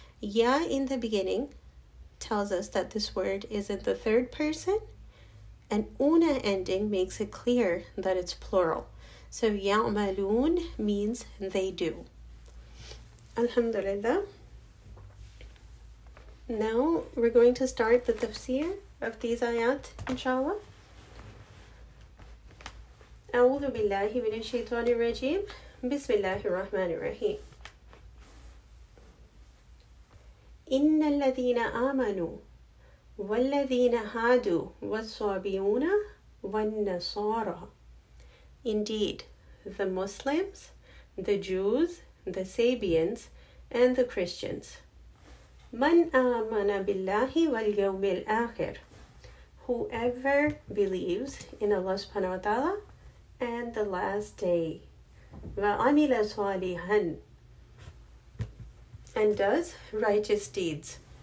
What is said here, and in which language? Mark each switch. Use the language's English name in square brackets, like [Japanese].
[English] Ya in the beginning tells us that this word is in the third person, and una ending makes it clear that it's plural. So ya'malun means they do. Alhamdulillah. Now we're going to start the tafsir of these ayat, inshallah. [Arabic] أعوذ بالله من الشيطان الرجيم بسم الله الرحمن الرحيم إن الذين آمنوا والذين هادوا والصابئون والنصارى [English] Indeed, the Muslims, the Jews, the Sabians, and the Christians. [Arabic] من آمن بالله واليوم الآخر [English] Whoever believes in Allah subhanahu wa ta'ala and the last day. [Arabic] وَعَمِلَ صَالِحًا [English] and does righteous deeds.